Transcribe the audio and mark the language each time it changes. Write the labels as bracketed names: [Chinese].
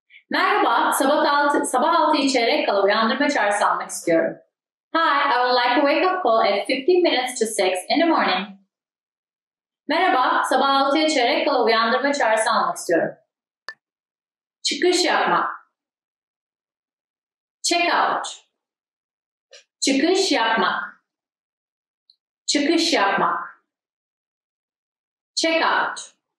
[Turkish] Merhaba, sabah altı içeyrek kala uyandırma çağrısı almak istiyorum. [English] Hi, I would like a wake-up call at 15 minutes to 6 in the morning. [Turkish] Merhaba, sabah 6'ya çeyrek kala uyandırma çağrısı almak istiyorum. Çıkış yapmak. [English] Check out. [Turkish] Çıkış yapmak. Çıkış yapmak. [English] Check out.